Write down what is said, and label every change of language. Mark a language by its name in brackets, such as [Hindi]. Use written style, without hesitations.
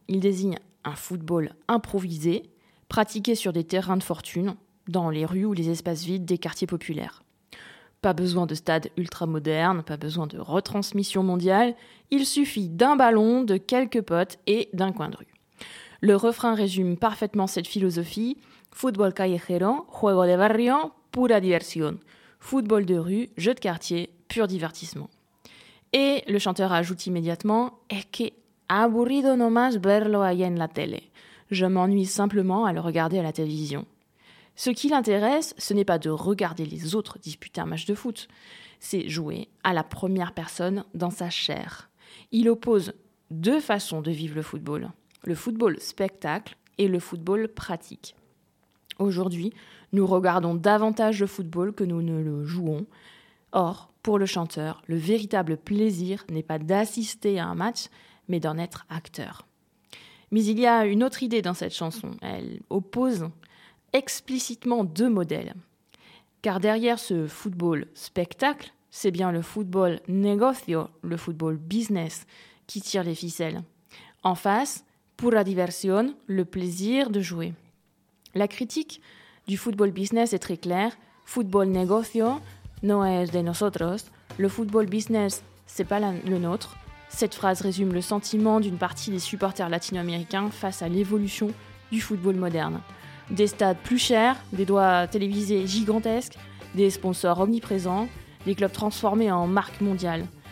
[French] Il désigne un football improvisé, pratiqué sur des terrains de fortune, dans les rues ou les espaces vides des quartiers populaires. Pas besoin de stade ultra moderne, pas besoin de retransmission mondiale, il suffit d'un ballon, de quelques potes et d'un coin de rue. Le refrain résume parfaitement cette philosophie. [Spanish] Football callejero, juego de barrio, pura diversión. [French] Football de rue, jeu de quartier, pur divertissement. Et le chanteur ajoute immédiatement [Spanish] Es que aburrido nomás verlo allá en la tele. [French] Je m'ennuie simplement à le regarder à la télévision. Ce qui l'intéresse, ce n'est pas de regarder les autres disputer un match de foot, c'est jouer à la première personne dans sa chair. Il oppose deux façons de vivre le football spectacle et le football pratique. Aujourd'hui, nous regardons davantage le football que nous ne le jouons. Or, pour le chanteur, le véritable plaisir n'est pas d'assister à un match, mais d'en être acteur. Mais il y a une autre idée dans cette chanson, elle oppose explicitement deux modèles. Car derrière ce football spectacle, c'est bien le football negocio, le football business, qui tire les ficelles. En face, [Spanish] pura diversión, [French] le plaisir de jouer. La critique du football business est très claire. [Spanish] Football negocio no es de nosotros. [French] Le football business, c'est pas le nôtre. Cette phrase résume le sentiment d'une partie des supporters latino-américains face à l'évolution du football moderne. Des stades plus chers, des droits télévisés gigantesques, des sponsors omniprésents, des clubs transformés en marques mondiales.